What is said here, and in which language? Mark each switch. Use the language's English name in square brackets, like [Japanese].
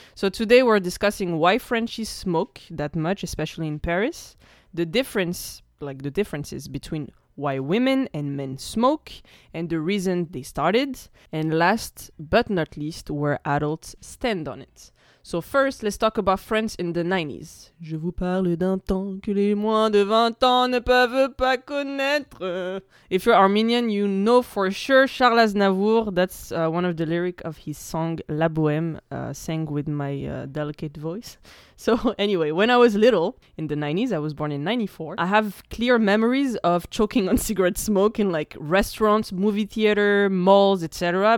[English] So today we're discussing why Frenchies smoke that much, especially in Paris, the differences between why women and men smoke, and the reason they started, and last but not least, where adults stand on it. So first, let's talk about France in the 90s. [French] Je vous parle d'un temps que les moins de 20 ans ne peuvent pas connaître. [English] If you're Armenian, you know for sure Charles Aznavour. That's one of the lyrics of his song La Bohème, sang with my delicate voice. So anyway, when I was little, in the 90s, I was born in 94, I have clear memories of choking on cigarette smoke in like restaurants, movie theater, malls, etc.